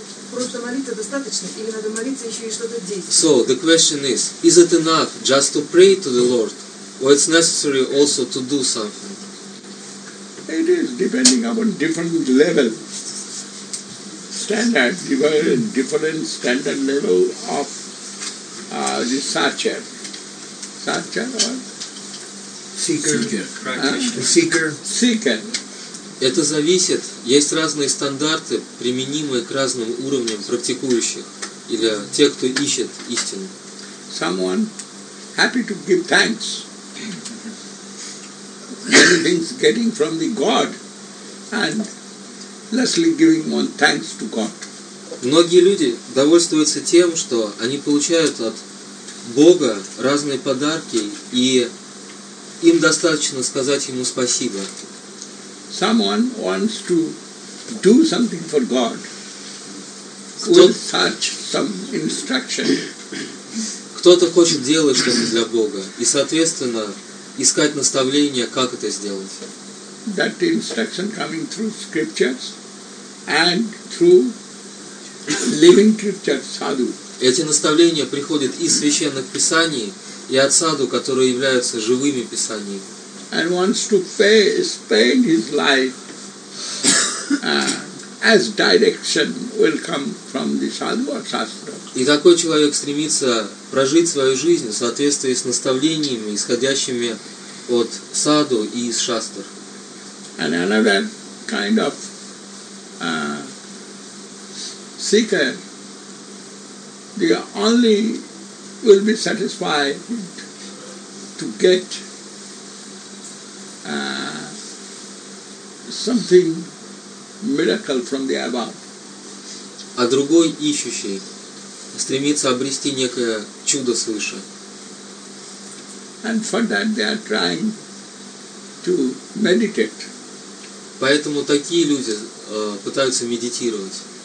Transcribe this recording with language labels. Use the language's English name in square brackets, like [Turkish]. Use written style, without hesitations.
[Russian] Просто молиться достаточно или надо молиться еще и что-то действовать? [English] So, the question is it enough just to pray to the Lord, or it's necessary also to do something? It is, depending upon different level. Standard, you are in different standard level of the Sachar. Sachar or? Seeker. Seeker. [Russian] Это зависит, есть разные стандарты, применимые к разным уровням практикующих или тех, кто ищет истину. [English] Someone happy to give thanks. Many things getting from the God and lessly giving one thanks to God. [Russian] Многие люди довольствуются тем, что они получают от Бога разные подарки, и им достаточно сказать ему спасибо. [English] Someone wants to do something for God with such some instruction. [Russian] Кто-то хочет делать что-то для Бога и, соответственно, искать наставление, как это сделать. [English] That instruction coming through scriptures and through living scriptures, sadhu. [Russian] Эти наставления приходят из священных писаний и от саду, которые являются живыми писаниями. [English] And wants to spend his life as direction will come from the sadhu or shastra. [Russian] И такой человек стремится прожить свою жизнь в соответствии с наставлениями, исходящими от саду и из шастр. [English] And another kind of seeker they only will be satisfied to get something miracle from the above. [Russian] А другой ищущий стремится обрести некое чудо свыше. [English] And for that they are trying to meditate. [Russian] Поэтому такие люди пытаются медитировать.